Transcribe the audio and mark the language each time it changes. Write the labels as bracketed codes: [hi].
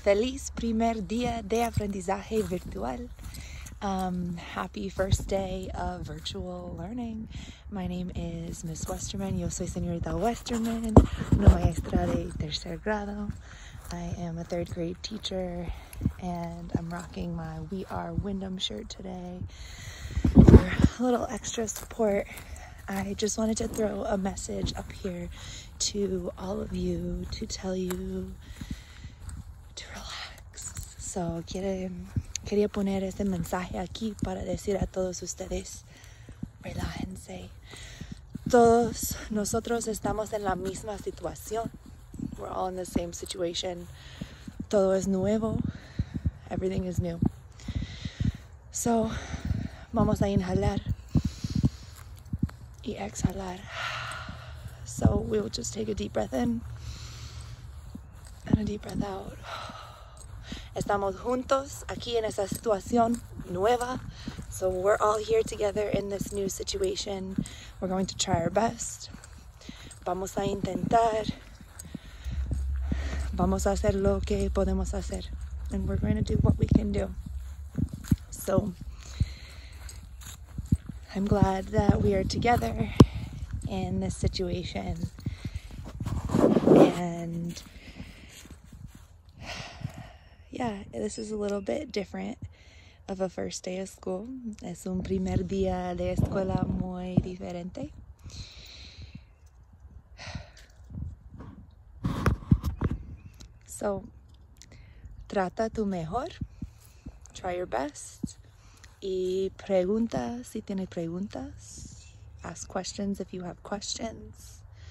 [es] Feliz primer día de aprendizaje virtual. [en] Happy first day of virtual learning. My name is Miss Westerman. [es] Yo soy señorita Westerman, una maestra de tercer grado. [en] I am a third grade teacher and I'm rocking my We Are Wyndham shirt today for a little extra support. I just wanted to throw a message up here to all of you to tell you to relax. [es] So, quería poner este mensaje aquí para decir a todos ustedes, relájense. Todos nosotros estamos en la misma situación. [en] We're all in the same situation. [es] Todo es nuevo. [en] Everything is new. [es] So, vamos a inhalar. Y exhalar. [en] So we'll just take a deep breath in and a deep breath out. [es] Estamos juntos aquí en esta situación nueva. [en] So we're all here together in this new situation. We're going to try our best. [es] Vamos a intentar. Vamos a hacer lo que podemos hacer. [en] And we're going to do what we can do. So I'm glad that we are together in this situation. And yeah, this is a little bit different of a first day of school. [es] Es un primer día de escuela muy diferente. So, trata tu mejor. [en] Try your best. [es] Y pregunta si tiene preguntas. [en] Ask questions if you have questions.